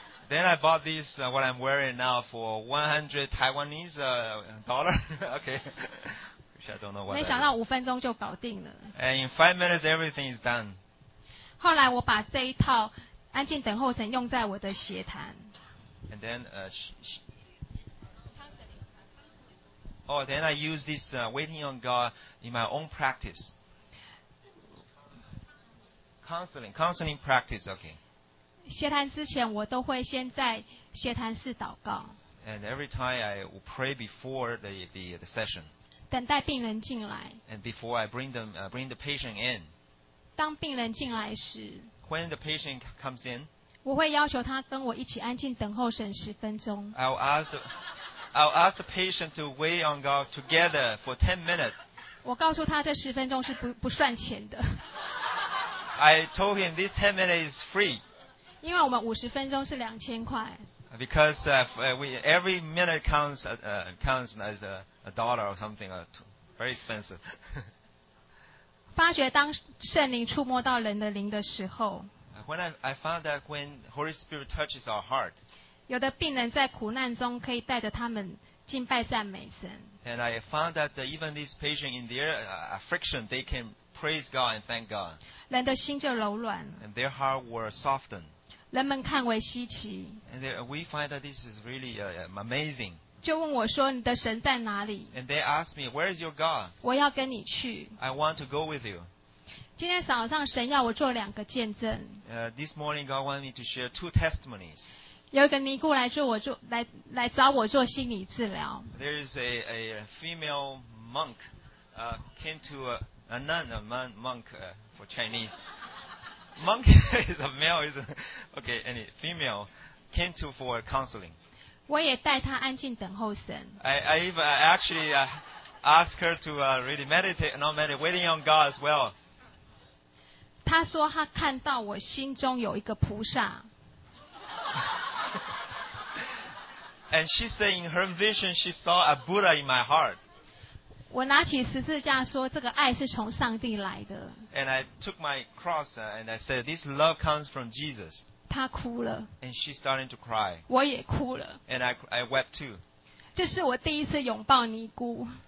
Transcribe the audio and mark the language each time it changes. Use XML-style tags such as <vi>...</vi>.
<en>Then I bought this, what I'm wearing now, for 100 Taiwanese dollar. Okay. Which I don't know what.</en> <zh>没想到五分钟就搞定了。</zh> <en>And in 5 minutes, everything is done.</en> <zh>后来我把这一套安静等候神用在我的鞋坛。</zh> <en>And then, oh, then I use this waiting on God in my own practice. Counseling practice, okay.</en> <zh>歇坛之前，我都会先在歇坛室祷告。</zh> <en>And every time I will pray before the session.</en> <zh>等待病人进来。</zh> <en>And before I bring the patient in.</en> <zh>当病人进来时。</zh> <en>When the patient comes in.</en> <zh>我会要求他跟我一起安静等候神十分钟。</zh> <en>I'll ask the patient to wait on God together for 10 minutes.</en> <zh>我告诉他这十分钟是不算钱的。</zh> <en>I told him this 10 minutes is free.</en> <zh>因为我们五十分钟是2000块。</zh> <en>Because every minute counts as a dollar or something, or two. Very expensive.</en> <zh>发觉当圣灵触摸到人的灵的时候。</zh> <en>When I found that when Holy Spirit touches our heart.</en> <zh>有的病人在苦难中可以带着他们敬拜赞美神。</zh> <en>And I found that even these patients in their affliction, they can praise God and thank God.</en> <zh>人的心就柔软。</zh> <en>And their heart were softened.</en> <zh>人们看为稀奇。</zh> <en>And we find that this is really amazing.</en> <zh>就问我说你的神在哪里。</zh> <en>And they asked me, where is your God?</en> <zh>我要跟你去。</zh> <en>I want to go with you.</en> <zh>今天早上神要我做两个见证。</zh> <en>This morning God wanted me to share two testimonies.</en> <zh>有一个尼姑来找我做心理治疗。</zh> <en>There is a female monk, came to a nun, a man, monk, for Chinese. Monk is a male, is a, okay, any female came to for counseling.</en> <zh>我也带她安静等候神。</zh> <en>I asked her to really meditate, not meditate, waiting on God as well.</en> <zh>他说他看到我心中有一个菩萨。</zh> <en>And she said in her vision she saw a Buddha in my heart.</en> <zh>我拿起十字架说这个爱是从上帝来的。</zh> <en>And I took my cross and I said this love comes from Jesus.</en> <zh>他哭了。</zh> <en>And she started to cry.</en> <zh>我也哭了。</zh> <en>And I wept too.</en> <zh>这是我第一次拥抱尼姑。</zh>